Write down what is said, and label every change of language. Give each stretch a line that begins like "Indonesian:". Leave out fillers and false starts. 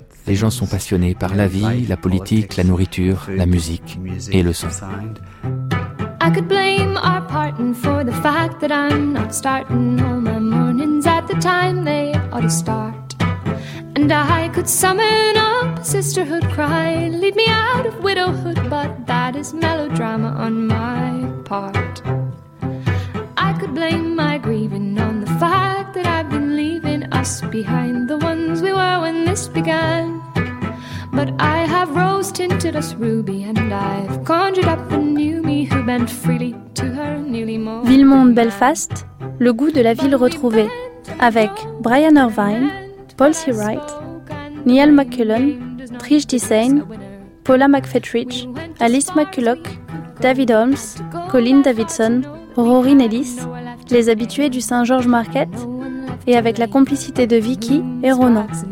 French: Les gens sont passionnés par la vie, la politique, la nourriture, la musique et le son.
English: I could blame our partner for the fact that I'm not starting all my mornings at the time they ought to start. And I could summon up a sisterhood cry, lead me out of widowhood, but that is melodrama on my part. I could blame my grieving on the fact that I've been leaving us behind, the ones we were when this began. But I have rose-tinted us ruby and I've conjured up a new me who bent freely to her newly more.
French: Villemonde, Belfast, le goût de la ville retrouvée, avec Brian Irvine, Paul C. Wright, Niall McCullum, Trish Tisain, Paula McFetridge, Alice McCulloch, David Holmes, Colin Davidson, Rory Nellis, les habitués du Saint-Georges Market, et avec la complicité de Vicky et Ronan.